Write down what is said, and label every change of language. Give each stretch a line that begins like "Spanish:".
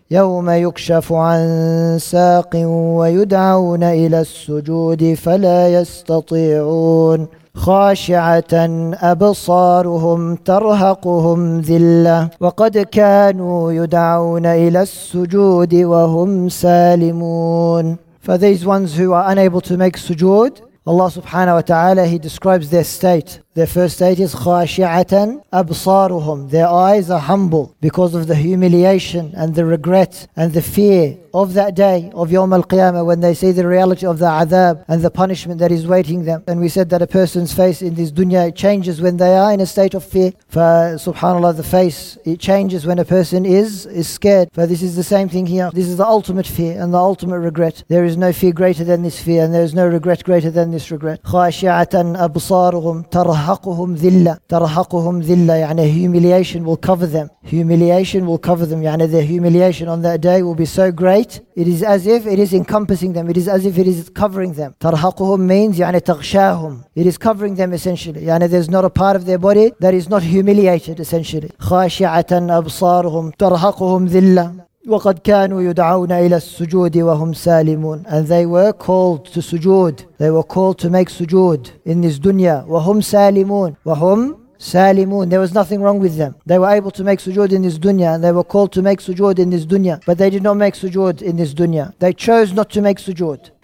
Arabic: يَوْمَ يُكْشَفُ عَن سَاقٍ وَيُدْعَوْنَ إِلَى السُّجُودِ فَلَا يَسْتَطِيعُ خاشعة أبصارهم ترهقهم ذلة وقد كانوا يدعون إلى السجود وهم سالمون.
English: For these ones who are unable to make sujood, Allah subhanahu wa ta'ala, He describes their state. Their first state is خاشعة أبصارهم. Their eyes are humble because of the humiliation and the regret and the fear of that day of Yawm al-Qiyamah, when they see the reality of the adab and the punishment that is waiting them. And we said that a person's face in this dunya, it changes when they are in a state of fear. For subhanAllah, the face, it changes when a person is scared. For this is the same thing here. This is the ultimate fear and the ultimate regret. There is no fear greater than this fear, and there is no regret greater than this regret.
Arabic: خاشعة أبصارهم ترهقهم ذلة.
English: ترهقهم ذلة, يعني humiliation will cover them. Humiliation will cover them. يعني their humiliation on that day will be so great, it is as if it is encompassing them. It is as if it is covering them.
Arabic: ترهقهم means يعني تغشاهم.
English: It is covering them essentially. يعني there's not a part of their body that is not humiliated essentially.
Arabic: خاشعة أبصارهم ترهقهم ذلة. وَقَدْ كَانُوا يُدْعَوْنَ إِلَى السُّجُودِ وَهُمْ سَالِمُونَ.
English: And they were called to sujood. They were called to make sujood in this dunya.
Arabic: وَهُمْ سَالِمُونَ. وَهُمْ سَالِمُونَ.
English: There was nothing wrong with them. They were able to make sujood in this dunya, and they were called to make sujood in this dunya. But they did not make sujood in this dunya. They chose not to make sujood.